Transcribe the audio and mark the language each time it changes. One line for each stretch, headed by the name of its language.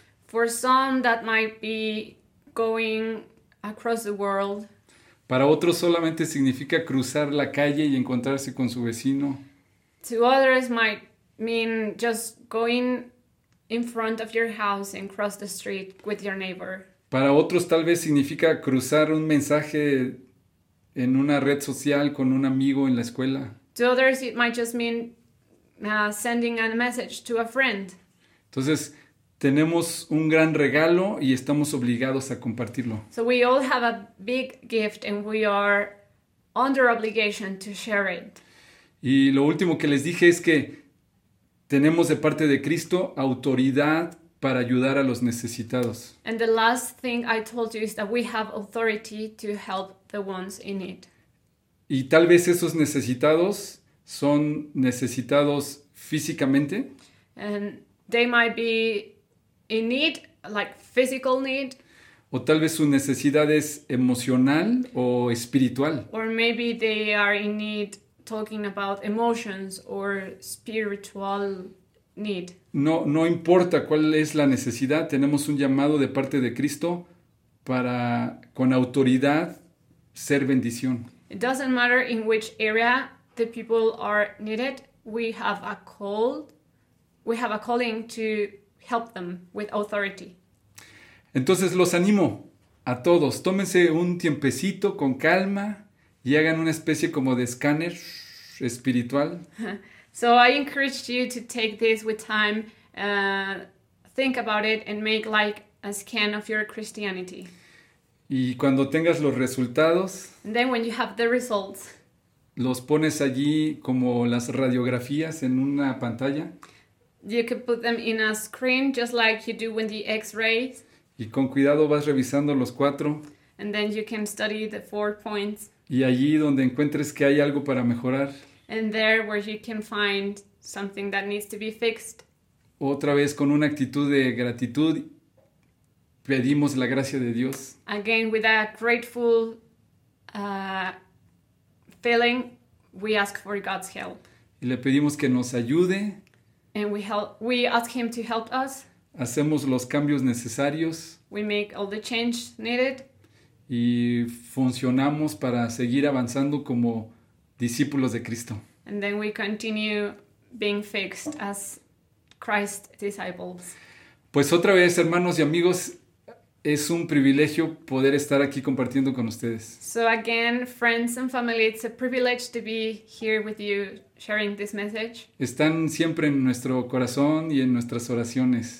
English: For some that might be going across the world.
Spanish: Para otros solamente significa cruzar la calle y encontrarse con su vecino.
English: To others might mean just going in front of your house and cross the street with your neighbor.
Spanish: Para otros tal vez significa cruzar un mensaje en una red social con un amigo en la escuela.
English: To others it might just mean sending a message to a friend.
Spanish: Entonces, tenemos un gran regalo y estamos obligados a compartirlo.
English: So we all have a big gift and we are under obligation to share it.
Spanish: Y lo último que les dije es que tenemos de parte de Cristo autoridad para ayudar a los necesitados.
English: And the last thing I told you is that we have authority to help the ones in need.
Spanish: Y tal vez esos necesitados son necesitados físicamente.
English: And they might be in need, like physical need.
Spanish: O tal vez su necesidad es emocional o espiritual.
English: Or maybe they are in need talking about emotions or spiritual need.
Spanish: No importa cuál es la necesidad, tenemos un llamado de parte de Cristo para con autoridad ser bendición.
English: It doesn't matter in which area the people are needed, we have a calling to help them with authority.
Spanish: Entonces los animo a todos, tómense un tiempecito con calma y hagan una especie como de escáner espiritual.
English: So I encourage you to take this with time, think about it and make like a scan of your Christianity.
Spanish: Y cuando tengas los resultados,
English: and then when you have the results,
Spanish: los pones allí como las radiografías en una pantalla.
English: You could put them in a screen just like you do when the X-rays.
Spanish: Y con cuidado vas revisando los cuatro.
English: And then you can study the four points.
Spanish: Y allí donde encuentres que hay algo para mejorar.
English: And there where you can find something that needs to be fixed.
Spanish: Otra vez con una actitud de gratitud pedimos la gracia de Dios.
English: Again with a grateful feeling we ask for God's help.
Spanish: Y le pedimos que nos ayude.
English: And we ask Him to help us.
Spanish: Hacemos los cambios necesarios.
English: We make all the change needed.
Spanish: Y funcionamos para seguir avanzando como discípulos de Cristo.
English: And then we continue being fixed as Christ's disciples.
Spanish: Pues otra vez, hermanos y amigos, es un privilegio poder estar aquí compartiendo con ustedes.
English: So again, friends and family, it's a privilege to be here with you sharing this message.
Spanish: Están siempre en nuestro corazón y en nuestras oraciones.